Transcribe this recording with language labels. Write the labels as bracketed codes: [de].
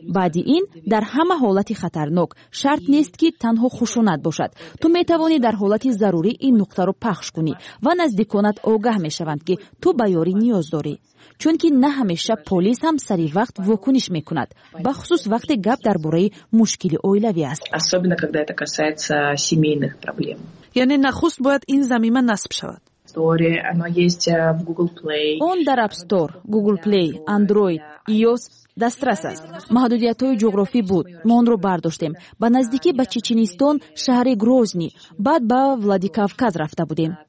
[fa] بعد این در همه حالت خطرناک، شرط نیست که تنها خشونت باشد. تو میتوانی در حالت ضروری این نقطه را پخش کنی و نزدیکانت آگاه میشوند که تو به یاری نیاز داری. چون که نه همیشه پلیس هم سری وقت واکنش میکند، به خصوص وقتی گپ درباره مشکل اویلوی است. [ru] особенно когда это касается семейных проблем. [fa] یعنی نخست باید این زمینه نصب شود. اون در اپ استور، گوگل پلی، اندروید، iOS دسترس است. محدودیت های جغرافی بود. ما اون رو برداشتیم. با نزدیکی به چچنستان، شهر گروزنی، بعد با ولادیکاوکاز رفته بودیم.